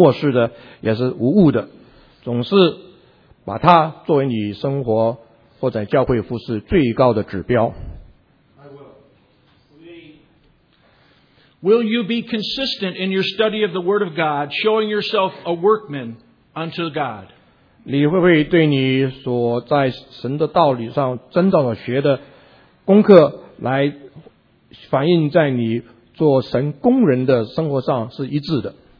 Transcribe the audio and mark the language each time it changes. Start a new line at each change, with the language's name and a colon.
Chinese: 你会不会传讲神这个圣经，你所相信的是神所默示的，也是无误的，总是 把它作为你生活或者教会服事最高的指标。
English: I will. Will you be consistent in your study of the Word of God, showing yourself a workman unto God?
Chinese: 你会不会对你所在神的道理上真正的学的功课来反映在你做神工人的生活上是一致的？